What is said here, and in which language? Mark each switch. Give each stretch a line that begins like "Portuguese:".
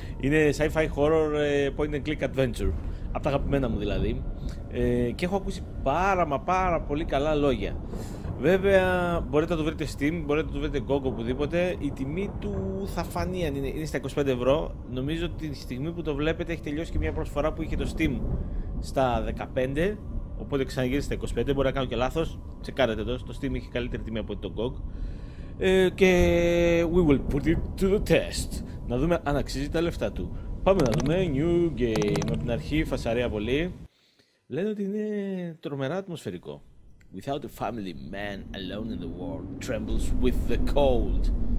Greek: Είναι
English: sci-fi horror point and click adventure.
Greek: Από τα αγαπημένα μου δηλαδή. Και έχω ακούσει πάρα μα πάρα πολύ καλά λόγια. Βέβαια, μπορείτε να το βρείτε Steam, μπορείτε να το βρείτε GOG, οπουδήποτε. Η τιμή του θα φανεί αν είναι στα 25 ευρώ. Νομίζω ότι τη στιγμή που το βλέπετε έχει τελειώσει και μια προσφορά που είχε το Steam στα 15. Οπότε ξαναγύρισε στα 25, μπορεί να κάνω και λάθος. Τσεκάρετε εδώ, το Steam έχει καλύτερη τιμή από το GOG. Και
English: we will put it to the test.
Greek: Να δούμε αν αξίζει τα λεφτά του. Πάμε να δούμε,
English: new game.
Greek: Από την αρχή, φασαρία πολύ. Λένε ότι είναι τρομερά ατμοσφαιρικό.
English: Without a family, man alone in the world trembles with the cold.